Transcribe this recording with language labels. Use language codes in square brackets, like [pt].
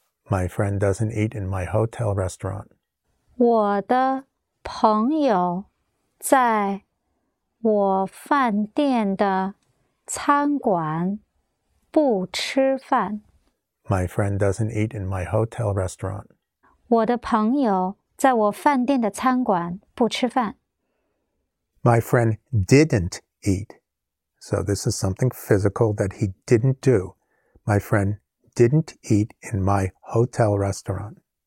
[en] My friend doesn't eat in my hotel restaurant. [zh] 我的朋友在我饭店的餐馆不吃饭. [en] My friend doesn't eat in my hotel restaurant. [zh] 我的朋友在我饭店的餐馆不吃饭. [en] My friend didn't eat. So this is something physical that he didn't do. My friend didn't eat in my hotel restaurant.